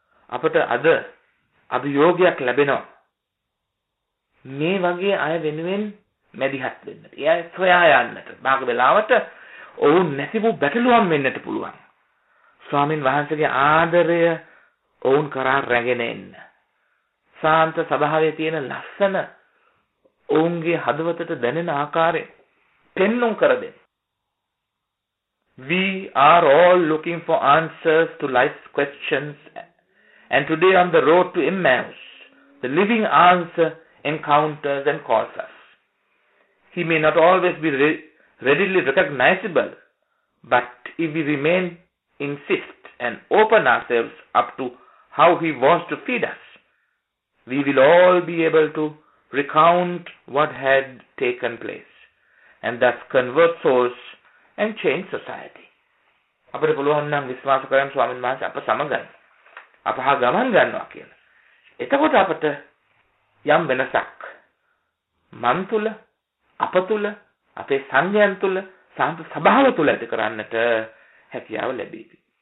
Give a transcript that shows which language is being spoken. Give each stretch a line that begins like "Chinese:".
Sinhala: අපට අද අභියෝගයක් ලැබෙනවා. මේ වගේ අය වෙනුවෙන් මැදිහත් වෙන්නට, ඒ අය සොයා යන්නට, බාග වෙලාවට ඔවුන් නැති වූ බැටළුවන් වෙන්නට පුළුවන්. ස්වාමින් වහන්සේගේ ආදරය ඔවුන් කරා රැගෙන එන්න. සාන්ත ස්වභාවයේ තියෙන ලස්සන ඔවුන්ගේ හදවතට දැනෙන ආකාරය පෙන්නුම් කර දෙන්න.
English: We are all looking for answers to life's questions. And today on the road to Emmaus, the living answer encounters and calls us. He may not always be readily recognizable, but if we remain, insist, and open ourselves up to how He wants to feed us, we will all be able to recount what had taken place, and thus convert souls and change society.
Sinhala: අපිට පුළුවන් නම් විශ්වාස කරන් ස්වාමීන් වහන්සේ අප සමගින් අපහා ගමන් ගන්නවා කියලා. එතකොට අපට යම් වෙනසක් මන් තුල, අප තුල, අපේ සංඥයන් තුල, සාන්ත ස්වභාව තුල ඇති කරන්නට හැකියාව ලැබේවි.